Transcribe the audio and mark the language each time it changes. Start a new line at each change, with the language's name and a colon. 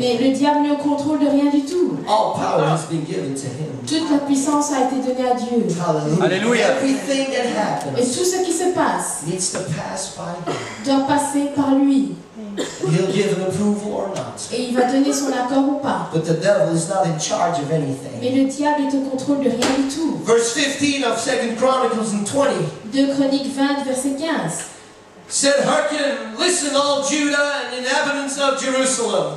French: Mais le diable n'est au contrôle de rien du tout.
English: All power has been given to him.
French: Toute la puissance a été donnée à Dieu.
English: Alléluia. Everything that happens.
French: Et tout ce qui se passe.
English: Needs to pass by him.
French: Doit passer par lui.
English: He'll give an approval or not.
French: Et il va donner son accord ou pas.
English: But the devil is not in charge of anything.
French: Mais le diable est au contrôle de rien du tout.
English: Verse 15 of 2 Chronicles and 20.
French: Deux Chroniques 20 verset 15.
English: Said hearken, listen all Judah and inhabitants of Jerusalem.